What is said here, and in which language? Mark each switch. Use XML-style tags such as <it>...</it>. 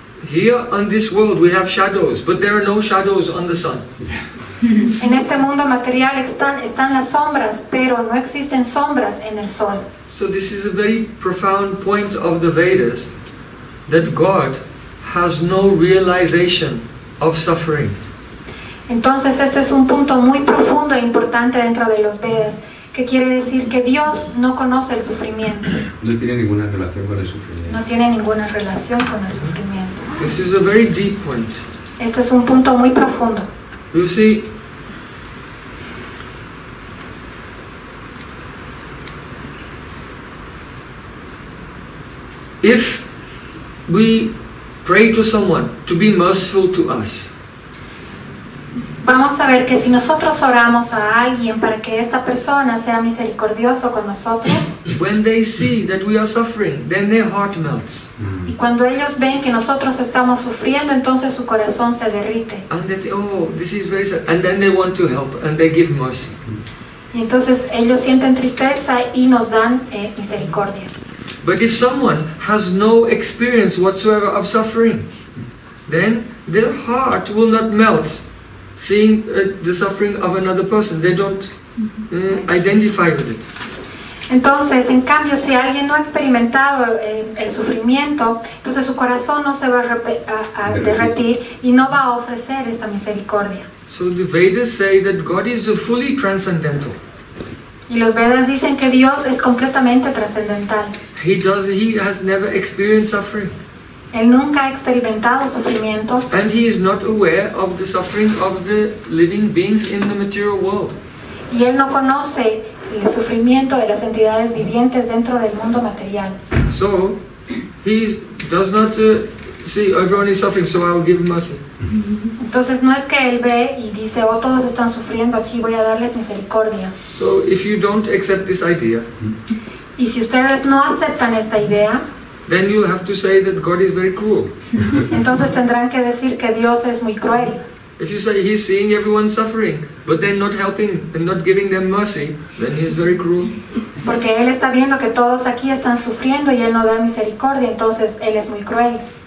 <en>Here on this world we have shadows, but there are no shadows on the sun.</en> <es>En este mundo material están las sombras, pero no existen sombras en el sol.</es> <en>So this is a very profound point of the Vedas, that God has no realization of suffering.</en> <es>Entonces este es un punto muy profundo e importante dentro de los Vedas, que quiere decir que Dios no conoce el sufrimiento. No tiene ninguna relación con el sufrimiento. No tiene ninguna relación con el sufrimiento.</es> <en>This is a very deep point.</en> <es>Este es un punto muy profundo.</es> <en>You see, if we pray to someone to be merciful to us,</en> <es>vamos a ver que si nosotros oramos a alguien para que esta persona sea misericordioso con nosotros,</es> <en>when they see that we are suffering, then their heart melts.</en> <es>Y cuando ellos ven que nosotros estamos sufriendo, entonces su corazón se derrite.</es> <en>And they think, oh, this is very sad. And then they want to help and they give mercy.</en> <es>Y entonces ellos sienten tristeza y nos dan misericordia.</es> <en>But if someone has no experience whatsoever of suffering, then their heart will not melt seeing the suffering of another person. They don't identify with it.</en> <es>Entonces, en cambio, si alguien no ha experimentado el sufrimiento, entonces su corazón no se va a derretir y no va a ofrecer esta misericordia.</es> <en>So the Vedas say that God is fully transcendental.</en> <es>Y los Vedas dicen que Dios es completamente trascendental.</es> <en>He has never experienced suffering.</en> <es>Él nunca ha experimentado sufrimiento.</es> <en>And he is not aware of the suffering of the living beings in the material world.</en> <es>Y él no conoce el sufrimiento de las entidades vivientes dentro del mundo material.</es> <en>So he does not see everyone is suffering, so I'll give mercy.</en> <es>Entonces no es que él ve y dice, oh, todos están sufriendo, aquí voy a darles misericordia.</es> <en>So if you don't accept this idea,</en> <es>y si ustedes no aceptan esta idea,</es> <en>then you have to say that God is very cruel.</en> <es>Entonces tendrán que decir que Dios es muy cruel.</es> <en>If you say he's seeing everyone suffering, but then not helping and not giving them mercy, then he's very cruel.</en> <es>Porque él está viendo que todos aquí están sufriendo y él no da misericordia, entonces él es muy cruel.</es>